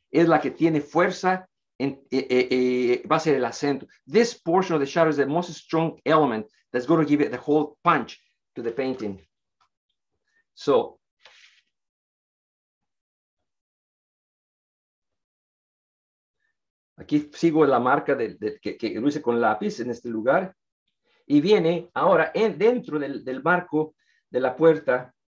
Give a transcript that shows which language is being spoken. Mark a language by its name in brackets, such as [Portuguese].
[Spanish] Es la que tiene fuerza, va a ser el acento. [English] This portion of the shadow is the most strong element that's going to give it the whole punch to the painting. [Spanish] So, aquí sigo la marca que lo hice con lápiz en este lugar. Y viene ahora dentro del marco de la puerta.